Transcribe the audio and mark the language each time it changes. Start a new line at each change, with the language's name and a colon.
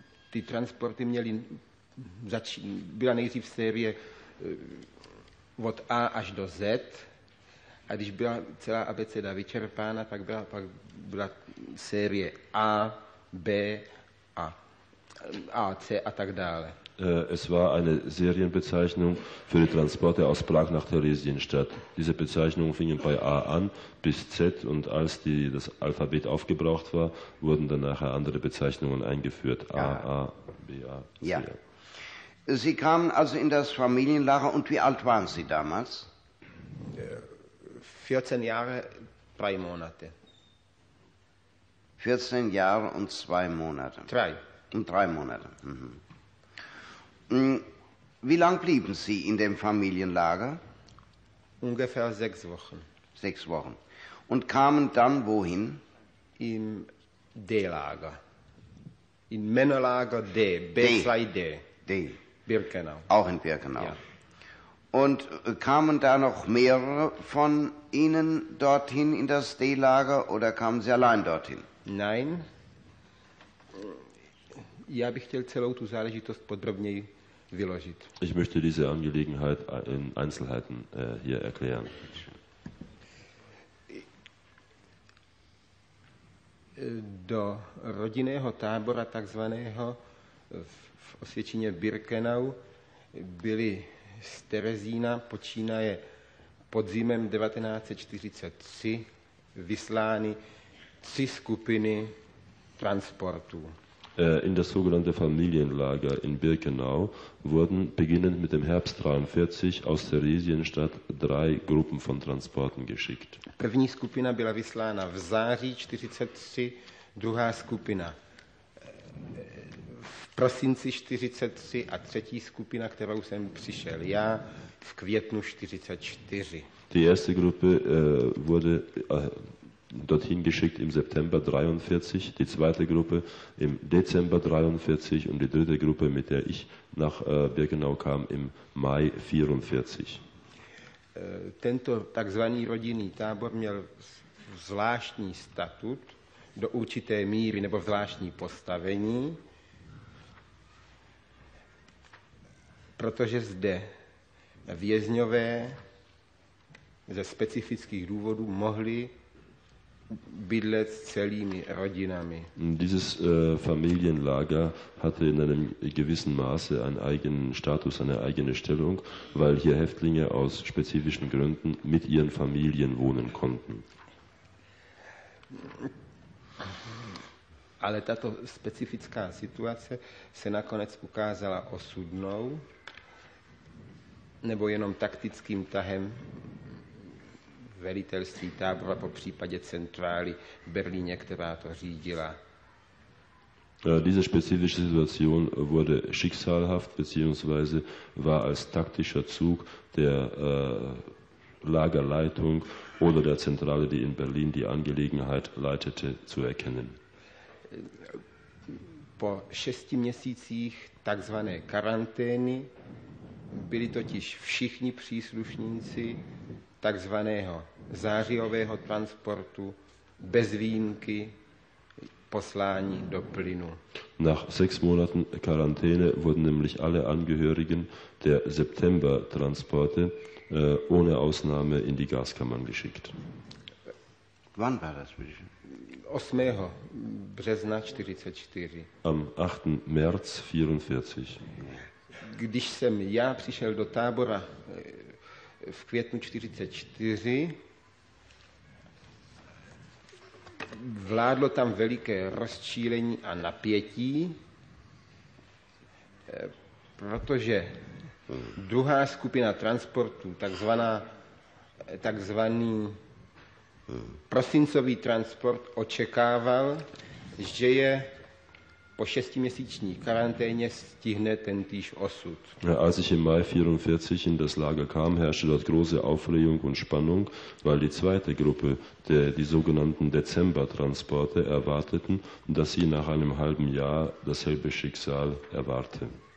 Czech: Ty transporty měly byla nejdřív série od A až do Z, a když byla celá abeceda vyčerpána, tak byla pak byla série A, B a A, C a tak dále.
German: Es war eine Serienbezeichnung für die Transporte aus Prag nach Theresienstadt. Diese Bezeichnung fing bei A an bis Z und als das Alphabet aufgebraucht war, wurden dann nachher andere Bezeichnungen eingeführt. A, A, B, A, C. Ja. Sie kamen also in das Familienlager und wie alt waren Sie damals? 14 Jahre, 3 Monate. 14 Jahre und 2 Monate. 3. Und 3 Monate, mhm. Wie lang blieben Sie in dem Familienlager? Ungefähr 6 Wochen. 6 Wochen. Und kamen dann wohin? Im D-Lager. Im Männerlager D, B2D. D. Birkenau. Auch in Birkenau. Ja. Und kamen da noch mehrere von Ihnen dorthin in das D-Lager oder kamen Sie allein dorthin? Nein.
Czech: Ja, bych chtěl celou tu záležitost podrobněji vyložit.
German: Ich möchte diese Angelegenheit in Einzelheiten hier erklären.
Czech: Do rodinného tábora takzvaného v Osvětšině Birkenau byli z Terezína, počínaje podzimem 1943, vyslány 3 skupiny transportů.
German: In das sogenannte Familienlager in Birkenau wurden beginnend mit dem Herbst 43 aus Theresienstadt 3 Gruppen von Transporten geschickt.
Czech: První skupina byla vyslána v září 43, druhá skupina v prosinci 43 a třetí skupina, kterou jsem přišel já, v květnu 44.
German: Die erste Gruppe wurde dorthin geschickt im September 43, die zweite Gruppe im Dezember 43 und die dritte Gruppe, mit der ich nach Birkenau kam, im Mai 44.
Czech: Tento takzvaný rodinný tábor měl zvláštní statut do určité míry nebo zvláštní postavení, protože zde vězňové ze specifických důvodů mohli bydlet s celými rodinami.
German: Dieses Familienlager hatte in einem gewissen Maße einen eigenen Status, eine eigene Stellung, weil hier Häftlinge aus spezifischen Gründen mit ihren Familien wohnen konnten.
Czech: Ale tato specifická situace se nakonec ukázala osudnou nebo jenom taktickým tahem velitelství tábora, po případě centrály v Berlíně, která to řídila.
German: Diese spezifische Situation wurde schicksalhaft beziehungsweise war als taktischer Zug der Lagerleitung oder der Zentrale, die in Berlin die Angelegenheit leitete, zu erkennen.
Czech: Po 6 měsících takzvané karantény byli totiž všichni příslušníci takzvaného zářijového transportu bez výjimky poslání do plynu.
German: Nach 6 Monaten Quarantäne wurden nämlich alle Angehörigen der September-Transporte ohne Ausnahme in die Gaskammern geschickt. Wann war das?
Czech: 8. března 44.
German: Am 8. März 44.
Czech: Když jsem já přišel do tábora v květnu 44, vládlo tam veliké rozčílení a napětí, protože druhá skupina transportů, takzvaný prosincový transport, očekával, že je po 6měsíční karanténě stihne ten týž osud.
German: Als ich im Mai 44 in das Lager kam, herrschte dort große Aufregung und Spannung, weil die zweite Gruppe, die sogenannten Dezember-Transporte, erwarteten, dass sie nach einem halben Jahr dasselbe Schicksal erwarte.